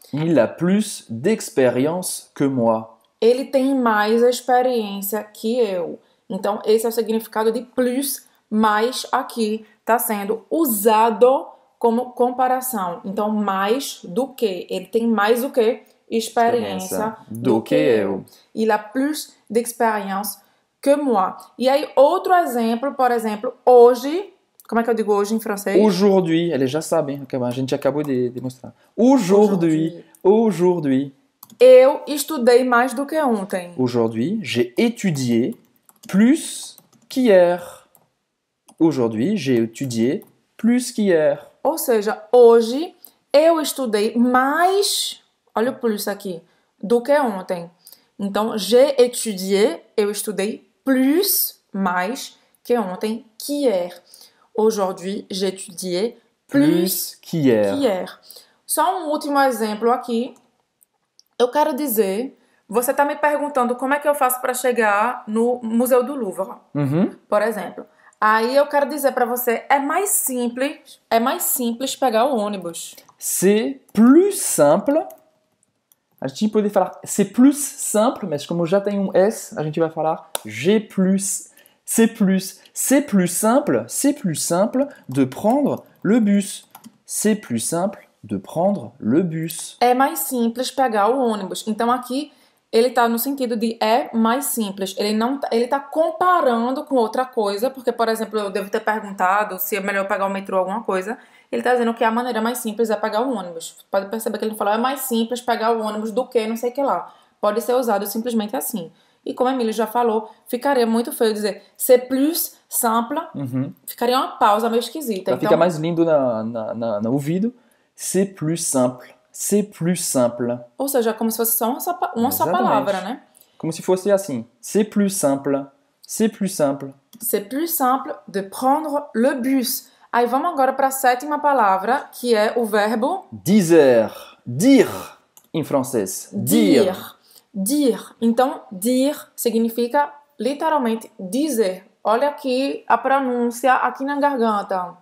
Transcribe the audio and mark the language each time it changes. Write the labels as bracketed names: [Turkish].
[French] Il a plus d'expérience que moi. [Portuguese] Ele tem mais experiência que eu. Então, esse é o significado de plus, mais aqui está sendo usado como comparação. Então, mais do que. Ele tem mais do que experiência Experiência do do que que eu. eu. [French] Il a plus d'expérience que moi. [Portuguese] E aí, outro exemplo, por exemplo, hoje. Como é que eu digo hoje em francês? Aujourd'hui, eles já sabem, a gente acabou de demonstrar. Aujourd'hui, [French] Aujourd'hui. aujourd'hui. [Portuguese] Eu estudei mais do que ontem. [French] Aujourd'hui, j'ai étudié plus qu'hier. Aujourd'hui, j'ai étudié plus qu'hier. [Portuguese] Ou seja, hoje eu estudei mais, olha o plus aqui, do que ontem. Então, [French] j'ai étudié, [Portuguese] eu estudei plus mais que ontem, qu'hier. [French] Aujourd'hui, j'ai étudié plus Plus qu'hier. qu'hier. [Portuguese] Só um último exemplo aqui. Eu quero dizer, você está me perguntando como é que eu faço para chegar no Museu do Louvre, por exemplo. Aí eu quero dizer para você, é mais simples pegar o ônibus. [French] C'est plus simple. [Portuguese] A gente poderia falar [French] c'est plus simple, [Portuguese] mas como já tem um S, a gente vai falar j'ai plus. [French] C'est plus simple de prendre le bus. C'est plus simple de prendre le bus. [Portuguese] É mais simples pegar o ônibus. Então aqui ele está no sentido de é mais simples. Ele não, ele está comparando com outra coisa, porque por exemplo eu devo ter perguntado se é melhor pegar o metrô ou alguma coisa. Ele está dizendo que a maneira mais simples é pegar o ônibus. Pode perceber que ele falou é mais simples pegar o ônibus do que não sei que lá. Pode ser usado simplesmente assim. E como a Emília já falou, ficaria muito feio dizer [French] c'est plus simple. [Portuguese] Ficaria uma pausa meio esquisita. Para ficar Então mais lindo no ouvido, [French] c'est plus simple. C'est plus simple. [Portuguese] ou seja, como se fosse só uma só palavra, Exatamente. né? Como se fosse assim. [French] C'est plus simple. C'est plus simple. C'est plus simple de prendre le bus. [Portuguese] Aí vamos agora para a sétima palavra, que é o verbo Dizer. Dire. Em francês. [French] dire. Dire. Dire. [Portuguese] Então, dire significa literalmente dizer. Olha aqui a pronúncia aqui na garganta.